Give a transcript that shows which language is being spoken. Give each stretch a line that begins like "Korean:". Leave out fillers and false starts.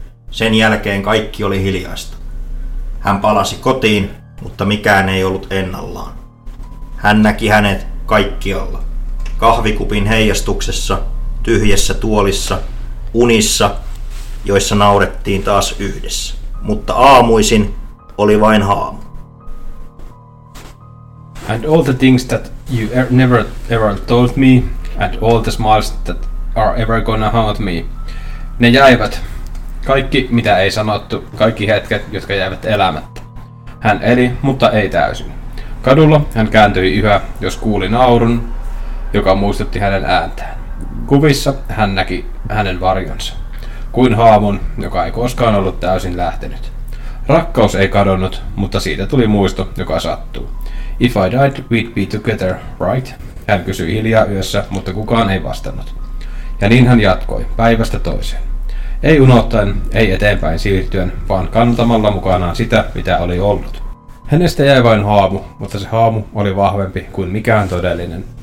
Finnish: Sen jälkeen kaikki oli hiljaista. Hän palasi kotiin, mutta mikään ei ollut ennallaan. Hän näki hänet kaikkialla. Kahvikupin heijastuksessa, tyhjessä tuolissa, unissa, joissa naurettiin taas yhdessä. Mutta aamuisin oli vain haamu.
English: And all the things that you never ever told me, and all the smiles that are ever gonna haunt me,
Finnish: ne jäivät. Kaikki, mitä ei sanottu, kaikki hetket, jotka jäivät elämättä. Hän eli, mutta ei täysin. Kadulla hän kääntyi yhä, jos kuuli naurun, joka muistutti hänen ääntään. Kuvissa hän näki hänen varjonsa, kuin haamun, joka ei koskaan ollut täysin lähtenyt. Rakkaus ei kadonnut, mutta siitä tuli muisto, joka sattuu.
English: If I died, we'd be together, right?
Finnish: Hän kysyi hiljaa yössä, mutta kukaan ei vastannut. Ja niin hän jatkoi, päivästä toiseen. Ei unohtaen, ei eteenpäin siirtyen, vaan kantamalla mukanaan sitä, mitä oli ollut. Hänestä jäi vain haamu, mutta se haamu oli vahvempi kuin mikään todellinen.